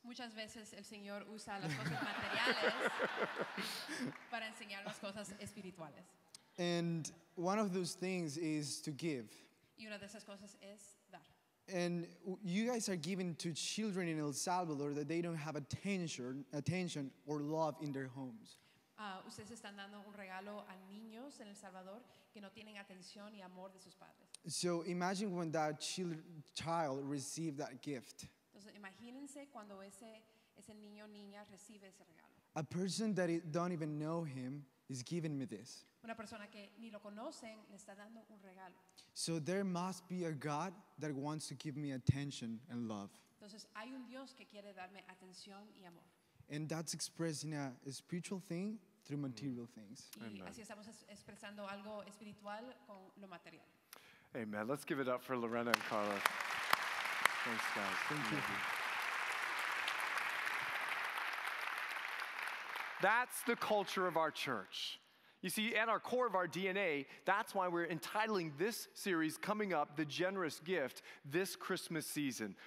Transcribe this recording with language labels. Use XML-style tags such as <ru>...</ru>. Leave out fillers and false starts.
<es>Muchas veces el Señor usa las cosas materiales para enseñar las cosas espirituales.</es> <en>And one of those things is to give.</en> <es>Y una de esas cosas es dar.</es> <en>And you guys are giving to children in El Salvador that they don't have attention or love in their homes.</en> <es>Ustedes están dando un regalo a niños en El Salvador que no tienen atención y amor de sus padres.</es> <en>So imagine when that child received that gift.</en> <es>Entonces imagínense cuando ese niño o niña recibe ese regalo.</es> <en>A person that don't even know him is giving me this.</en> <es>Una persona que ni lo conocen le está dando un regalo.</es> <en>So there must be a God that wants to give me attention and love.</en> <es>Entonces hay un Dios que quiere darme atención y amor.</es> <en>And that's expressed in a spiritual thing through material things.</en> <es>Y así estamos expresando algo espiritual con lo material.</es> <en>Amen. Let's give it up for Lorena and Carla. Thanks, guys. Thank you. That's the culture of our church. You see, at our core of our DNA, that's why we're entitling this series coming up, The Generous Gift, this Christmas season.</en>